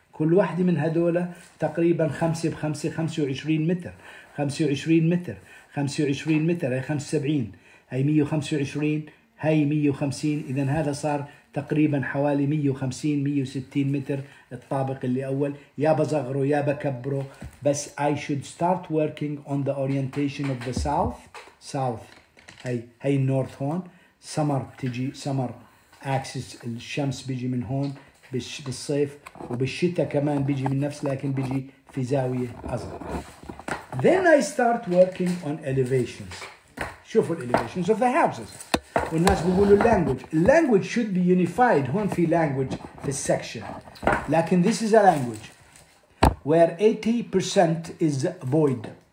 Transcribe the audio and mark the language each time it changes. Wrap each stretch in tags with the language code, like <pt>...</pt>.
<ar>كل واحدة من هذولا تقريبا 5 × 5 = 25 متر. 25 متر. 25 متر. هاي 75. هاي 125. هاي 150. إذن هذا صار تقريبا حوالي 150-160 متر الطابق اللي أول. يا بزغره يا بكبره. بس</ar> <en>I should start working on the orientation of the south.</en> <ar>South. هاي north هون. Summer تجي. Summer axis. الشمس بيجي من هون. بالصيف وبالشتاء كمان بيجي من نفس, لكن بيجي في زاوية أصغر.</ar> <en>Then I start working on elevations.</en> <ar>شوفوا</ar> <en>elevations of the houses.</en> <ar>والناس بيقولوا</ar> <en>language. Language should be unified.</en> <ar>هون في language في section. لكن</ar> <en>this is a language where 80% is void.</en>